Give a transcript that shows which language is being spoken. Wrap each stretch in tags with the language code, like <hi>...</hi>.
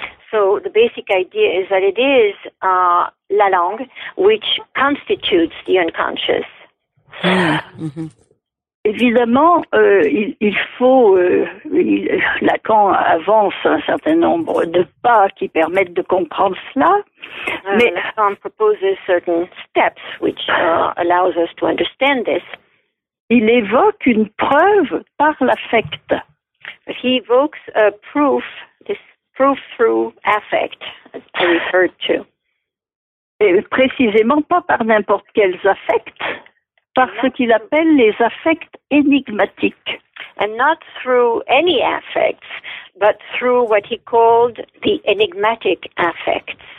<en>So the basic idea is that it is la langue which constitutes the unconscious. Mm-hmm.</en> <fr>Évidemment, il faut, Lacan avance un certain nombre de pas qui permettent de comprendre cela, mais</fr> <en>Lacan proposes certain steps which allows us to understand this.</en> <fr>Il évoque une preuve par l'affect.</fr> <en>He evokes a proof, this proof through affect, as I referred to.</en> <fr>Et précisément pas par n'importe quels affects. Par ce qu'il appelle les affects énigmatiques.</fr> <en>And not through any affects, but through what he called the enigmatic affects.</en>